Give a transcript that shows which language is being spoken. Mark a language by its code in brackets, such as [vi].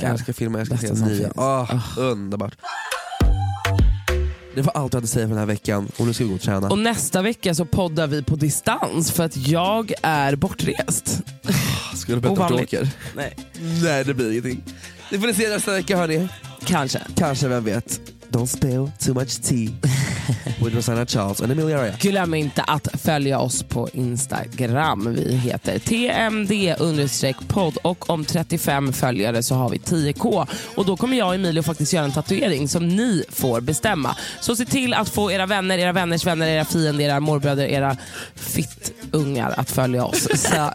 [sv] Jag älskar film och jag älskar se nya. Underbart. Det var allt jag hade att säga för den här veckan. Och nu ska vi gå och träna. Och nästa vecka så poddar vi på distans. För att jag är bortrest. Ska du berätta om du åker? Nej. Nej, det blir ingenting. Det får ni se nästa vecka, hörni. Kanske. Kanske, vem vet. [en] Don't spill too much tea with Rosanna Charles and Emilia Raya. [sv] Glöm inte att följa oss på Instagram. Vi heter tmd_pod. Och om 35 följare så har vi 10k. Och då kommer jag och Emilio faktiskt göra en tatuering som ni får bestämma. Så se till att få era vänner, era vänners vänner, era fiender, era morbröder, era fittungar att följa oss.